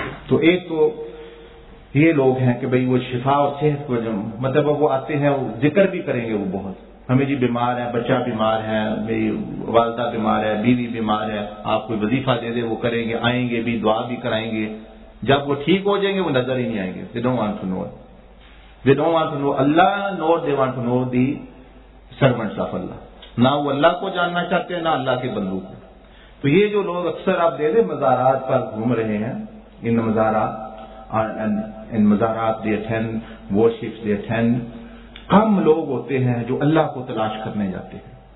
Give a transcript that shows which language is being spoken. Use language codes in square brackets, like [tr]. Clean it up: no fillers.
[ur] تو ایک تو یہ لوگ ہیں کہ بھائی وہ شفا اور صحت کو مطلب وہ آتے ہیں وہ ذکر بھی کریں گے وہ بہت ہمیں جی بیمار ہے بچہ بیمار ہے میری والدہ بیمار ہے بیوی بیمار ہے آپ کوئی وظیفہ دے دیں وہ کریں گے آئیں گے بھی دعا بھی کرائیں گے جب وہ ٹھیک ہو جائیں گے وہ نظر ہی نہیں آئیں گے [en] they don't want to know it. They don't want to know Allah nor they want to know the servants of Allah. [ur] نہ وہ اللہ کو جاننا چاہتے ہیں نہ اللہ کے بندوں کو. تو یہ جو لوگ اکثر آپ دے دیں مزارات پر گھوم رہے ہیں ان مزارات ان مزارات [en] they attend worships they attend [ur] کم لوگ ہوتے ہیں جو اللہ کو تلاش کرنے جاتے ہیں.